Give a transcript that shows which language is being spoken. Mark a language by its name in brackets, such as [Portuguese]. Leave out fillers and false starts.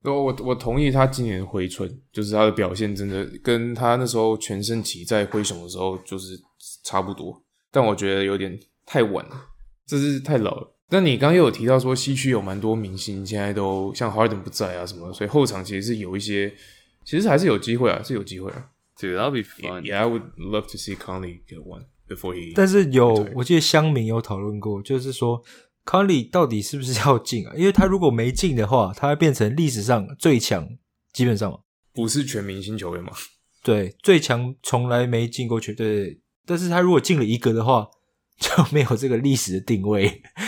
[Chinese] 我同意他今年回春，就是他的表现真的跟他那时候全盛期在灰熊的时候就是差不多。但我觉得有点太晚了，这是太老了。那你刚刚有提到说西区有蛮多明星现在都像 Harden 不在啊什么，所以后场其实是有一些，其实还是有机会啊，是有机会啊。 [English] Dude, that'll be fun. Yeah, I would love to see Conley get one before he. [Chinese] 但是有，我记得乡民有讨论过，就是说 Conley 到底是不是要进啊？因为他如果没进的话，他会变成历史上最强，基本上不是全明星球员吗？对，最强从来没进过全，对，但是他如果进了一个的话，就没有这个历史的定位。